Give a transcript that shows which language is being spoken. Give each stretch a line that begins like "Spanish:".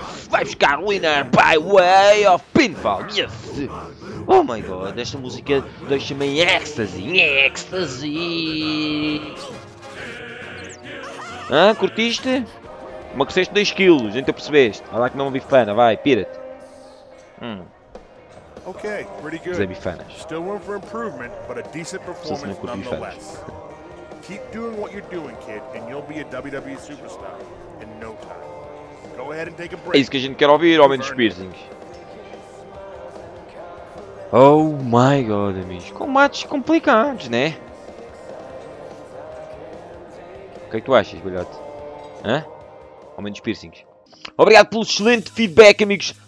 Portuguese: Vai buscar
English: winner by way of pinfall, yes! Oh my god,
Portuguese: esta música deixa-me em ecstasy, em ecstasy! Hã? Ah, curtiste? Uma que seste 2kg, então percebeste? Olha lá que não é uma bifana, vai, pira-te!
English: Ok, pretty good.
Portuguese: Fazer bifanas.
English: Still room for improvement, but a decent performance nonetheless. Keep doing what you're doing, kid, and you'll be a WWE superstar in no time.
Portuguese: É isso que a gente quer ouvir, homem dos piercings.
English: Oh my god,
Portuguese: amigos. Com matches complicados, né? O que é que tu achas, bolhote? Hã? Homem dos piercings. Obrigado pelo excelente feedback, amigos.